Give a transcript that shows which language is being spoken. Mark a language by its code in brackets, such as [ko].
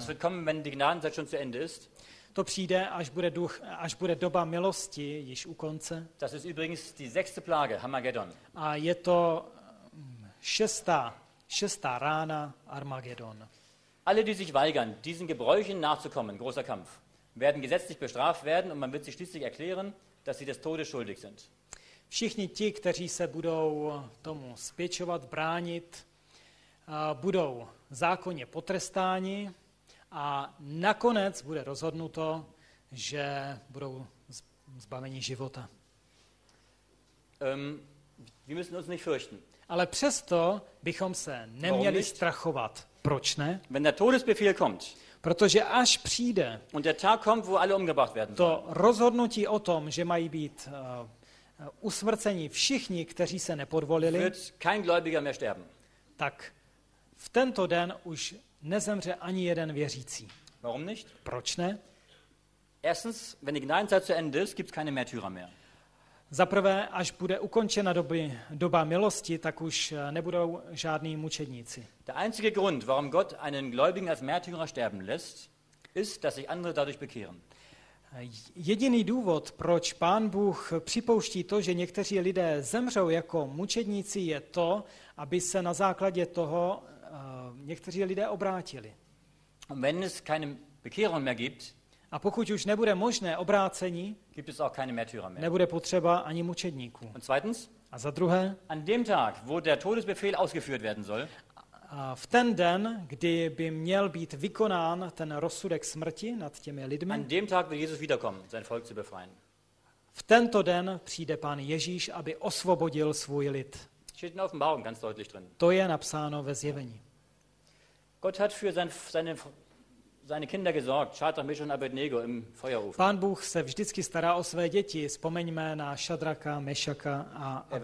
[de] Das wird kommen, wenn die Gnadenzeit schon zu Ende ist. [cs] To přijde, až bude doba milosti již u konce. [de] Das ist übrigens die sechste Plage, Armageddon. [cs] A je to šestá rána Armageddon. [de] Alle, die sich weigern, diesen Gebräuchen nachzukommen, großer Kampf, werden gesetzlich bestraft werden und man wird sie schließlich erklären, dass sie des Todes schuldig sind. [cs] Všichni ti, kteří se budou tomu spěčovat, bránit, budou zákonně potrestáni a nakonec bude rozhodnuto, že budou zbaveni života. [de] Wir müssen uns nicht fürchten. [cs] Ale přesto bychom se neměli strachovat. Proč ne? [de] Wenn der Todesbefehl kommt, [cs] protože až přijde [de] und der Tag kommt, wo alle umgebracht werden [cs] to rozhodnutí o tom, že mají být usmrceni všichni, kteří se nepodvolili, [de] wird kein Gläubiger mehr sterben. [cs] Tak v tento den už nezemře ani jeden věřící. [de] Warum nicht? [cs] Proč ne? [de] Erstens, wenn die Gnadenzeit zu Ende ist, gibt's keine Märtyrer mehr. [cs] Za prvé, až bude ukončena doba milosti, tak už nebudou žádní mučedníci. [de] Der einzige Grund, warum Gott einen Gläubigen als Märtyrer sterben lässt, ist, dass sich andere dadurch bekehren. [cs] Jediný důvod, proč Pán Bůh připouští to, že někteří lidé zemřou jako mučedníci, je to, aby se na základě toho někteří lidé obrátili. [de] Wenn es keine Bekehrung mehr gibt, [cs] a pokud už nebude možné obrácení, [de] gibt es auch keine Märtyrer mehr. [cs] Nebude potřeba ani mučedníků. [de] Und zweitens, [cs] a za druhé, [de] an dem Tag, wo der Todesbefehl ausgeführt werden soll, [cs] v ten den, kdy by měl být vykonán ten rozsudek smrti nad těmi lidmi, [de] an dem Tag wird Jesus wiederkommen, sein Volk zu befreien. [cs] V tento den přijde Pán Ježíš, aby osvobodil svůj lid. [de] Steht in der Offenbarung ganz deutlich drin. [cs] To je napsáno ve zjevení. [de] Gott hat für seine Kinder gesorgt, Schadrach, Meschach und Abednego im Feuerofen. [cs] Pán Bůh se vždycky stará o své děti, vzpomeňme na Šadraka, Mešaka a Abednego.